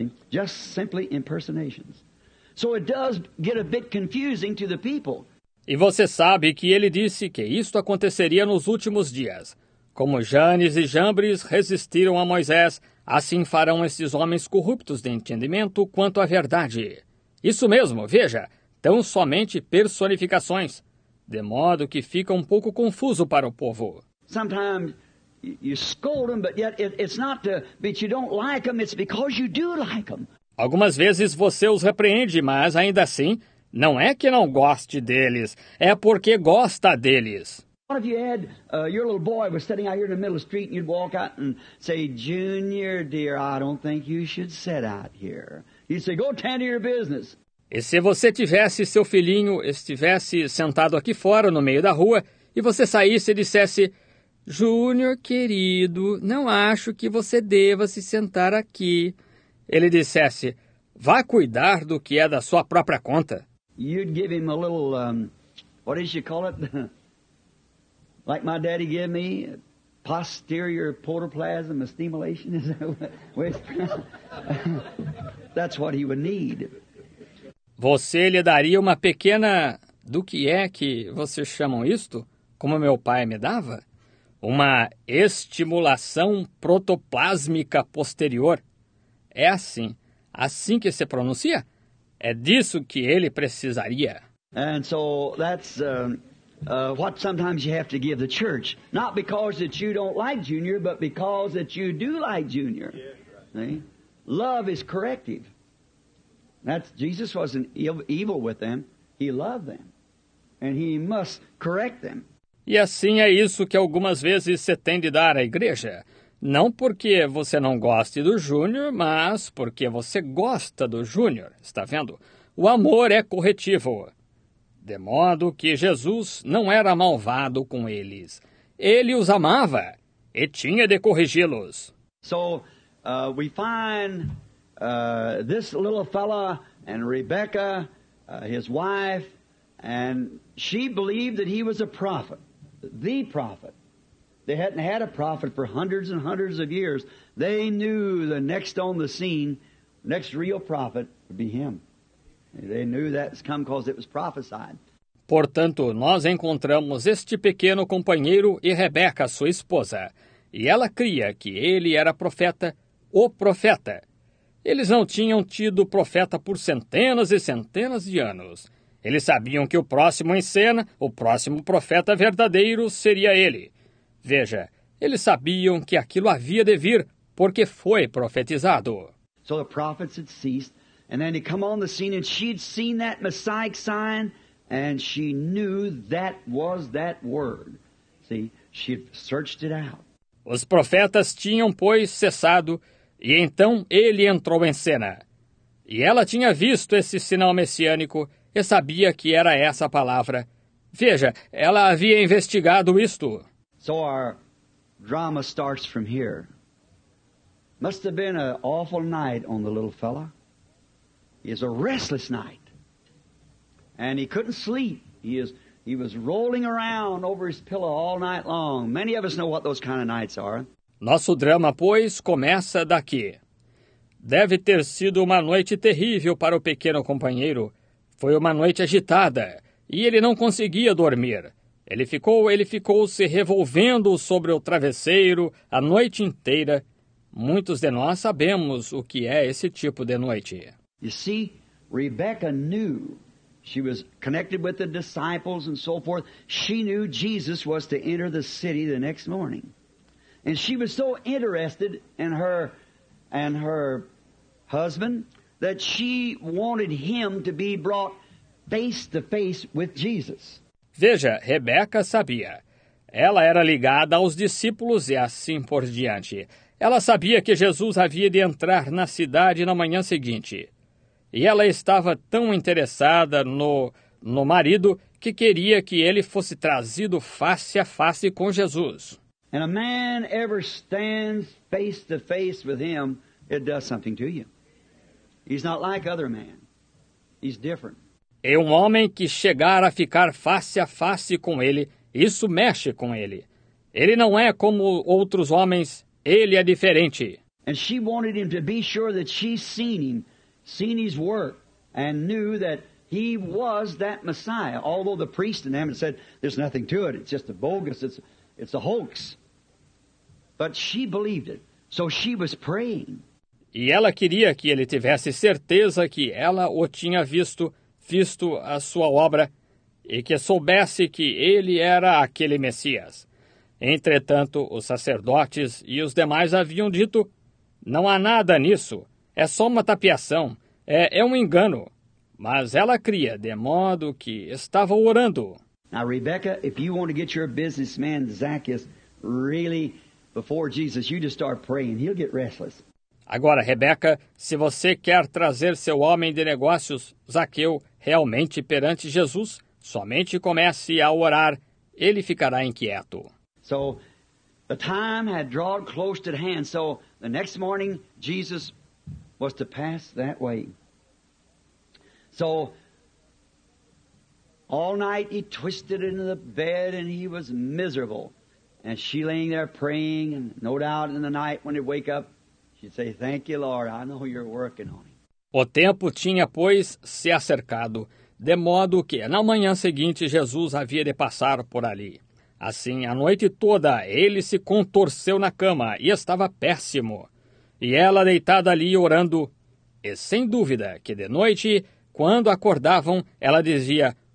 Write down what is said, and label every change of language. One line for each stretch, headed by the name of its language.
English: Just simply impersonations. So it does get a bit confusing to the people.
Portuguese: E você sabe que ele disse que isto aconteceria nos últimos dias. Como Jannes e Jambres resistiram a Moisés, assim farão esses homens corruptos de entendimento quanto à verdade. Isso mesmo, veja, tão somente personificações, de modo que fica um pouco confuso para o povo.
English: Sometimes you scold them, but yet it's not that you don't like them, it's because you do like them.
Portuguese: Algumas vezes você os repreende, mas ainda assim, não é que não goste deles, é porque gosta deles.
English: What if you had your little boy was sitting out here in the middle of the street and you'd walk out and say, Junior, dear, I don't think you should sit out here. He said, go tend to your business.
Portuguese: E se você tivesse seu filhinho, estivesse sentado aqui fora no meio da rua, e você saísse e dissesse, Júnior, querido, não acho que você deva se sentar aqui. Ele dissesse, vá cuidar do que é da sua própria conta.
English: You'd give him a little, what did you call it? Like my daddy gave me, posterior portoplasm, a stimulation, is that what? That's what he would need.
Portuguese: Você lhe daria uma pequena... Do que é que vocês chamam isto? Como meu pai me dava? Uma estimulação protoplásmica posterior. É assim. Assim que se pronuncia? É disso que ele precisaria.
English: And so that's what sometimes you have to give the church, not because that you don't like Junior, but because that you do like Junior. Yeah, right. See? Love is corrective. That's, Jesus wasn't evil with them. He loved them. And he must correct them.
Portuguese: E assim é isso que algumas vezes se tem de dar à igreja. Não porque você não goste do Júnior, mas porque você gosta do Júnior. Está vendo? O amor é corretivo. De modo que Jesus não era malvado com eles. Ele os amava e tinha de corrigi-los.
English: So, we find this little fella and Rebecca, his wife, and she believed that he was a prophet. The prophet. They hadn't had a prophet for hundreds and hundreds of years. They knew the next on the scene, next real prophet, would be him. They knew that's come because it was prophesied.
Portuguese: Portanto, nós encontramos este pequeno companheiro e Rebeca, sua esposa. E ela cria que ele era profeta, o profeta. Eles não tinham tido profeta por centenas e centenas de anos. Eles sabiam que o próximo em cena, o próximo profeta verdadeiro, seria ele. Veja, eles sabiam que aquilo havia de vir, porque foi profetizado.
English: So the prophets had ceased, and then he'd come on the scene, and she'd seen that Messiah sign, and she knew that was that word. See, she'd searched it out.
Portuguese: Os profetas tinham, pois, cessado, e então ele entrou em cena. E ela tinha visto esse sinal messiânico, e sabia que era essa a palavra. Veja, ela havia investigado isto.
English: So our drama starts from here. Must have been an awful night on the little fella. It was a restless night. And he couldn't sleep. He was rolling around over his pillow all night long. Many of us know what those kind of nights are.
Portuguese: Nosso drama, pois, começa daqui. Deve ter sido uma noite terrível para o pequeno companheiro. Foi uma noite agitada e ele não conseguia dormir. Ele ficou se revolvendo sobre o travesseiro a noite inteira. Muitos de nós sabemos o que é esse tipo de noite.
English: You see, Rebecca knew she was connected with the disciples and so forth. She knew Jesus was to enter the city the next morning. And she was so interested in her husband that she wanted him to be brought face to face with Jesus.
Portuguese: Veja, Rebeca sabia. Ela era ligada aos discípulos e assim por diante. Ela sabia que Jesus havia de entrar na cidade na manhã seguinte. E ela estava tão interessada no marido que queria que ele fosse trazido face a face com Jesus.
English: And a man ever stands face to face with him, it does something to you. He's not like other men. He's different.
Portuguese: E um homem que chegar a ficar face a face com ele, isso mexe com ele. Ele não é como outros homens, ele é diferente.
English: And she wanted him to be sure that she seen his work, and knew that he was that Messiah. Although the priest in heaven said, there's nothing to it, it's just a bogus, it's a hoax. But she believed it, so she was praying.
Portuguese: E ela queria que ele tivesse certeza que ela o tinha visto a sua obra e que soubesse que ele era aquele Messias. Entretanto, os sacerdotes e os demais haviam dito, não há nada nisso, é só uma tapiação, é um engano. Mas ela cria, de modo que estava orando.
English: Now, Rebecca, if you want to get your businessman Zacchaeus really before Jesus, you just start praying, he'll get restless.
Portuguese: Agora, Rebeca, se você quer trazer seu homem de negócios, Zaqueu, realmente perante Jesus, somente comece a orar, ele ficará inquieto.
English: So, the time had drawn close to the hand, so the next morning, Jesus was to pass that way. So, all night he twisted into the bed and he was miserable. And she laying there praying, and no doubt in the night when he'd wake up, she'd say, thank you, Lord, I know you're working on it.
Portuguese: O tempo tinha, pois, se acercado, de modo que na manhã seguinte Jesus havia de passar por ali. Assim, a noite toda, ele se contorceu na cama e estava péssimo. E ela deitada ali orando. E sem dúvida que de noite, quando acordavam, ela dizia,